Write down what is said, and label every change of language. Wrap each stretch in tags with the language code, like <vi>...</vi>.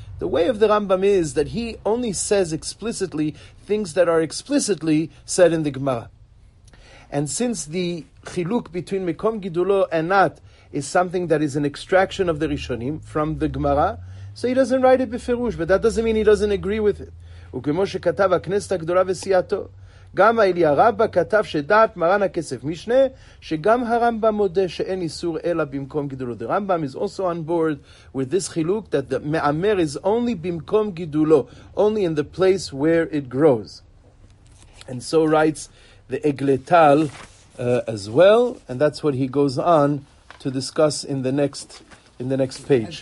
<en>The way of the Rambam is that he only says explicitly things that are explicitly said in the Gemara. And since the chiluk between mekom gidulo and not is something that is an extraction of the Rishonim from the Gemara, so he doesn't write it b'ferush, but that doesn't mean he doesn't agree with it.</en> <he>U'kemo she'katav ha-knest ha-gdola v'siyato. גם אליה רבא כתב שדעת מרן הכסף משנה, שגם הרמב״ם מודה שאין איסור אלא במקום גידולו.</he> <en>The Rambam is also on board with this חילוק, that the me'amer is only</en> <he>במקום גידולו,</he> <en>only in the place where it grows. And so writes the Egletal as well, and that's what he goes on to discuss in the next page.</en>